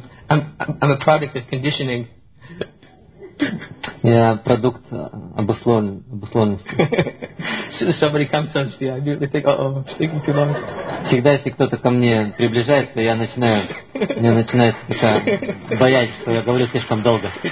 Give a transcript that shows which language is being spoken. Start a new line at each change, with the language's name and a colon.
English: I'm a product of conditioning.
Russian: Я продукт обусловленности.
English: So somebody comes up to me, I immediately think, oh, I'm speaking too long.
Russian: Всегда, если кто-то ко мне приближается, я начинаю, мне начинается такая боязнь, что я говорю слишком долго.